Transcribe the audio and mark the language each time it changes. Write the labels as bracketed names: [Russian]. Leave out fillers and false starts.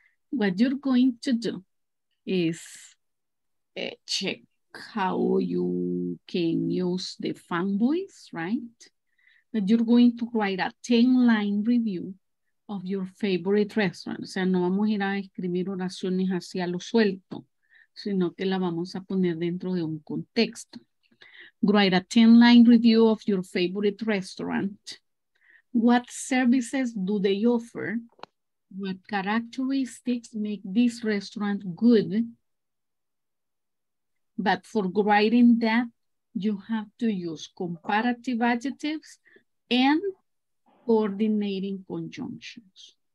[English] What you're going to do is check how you can use the fan voice, right? But you're going to write a 10-line review of your favorite restaurant. [Spanish] O sea, no vamos a ir a escribir oraciones así a lo suelto, sino que la vamos a poner dentro de un contexto. [English] Write a 10-line review of your favorite restaurant. What services do they offer? What characteristics make this restaurant good? But for writing that, you have to use comparative adjectives and coordinating conjunctions.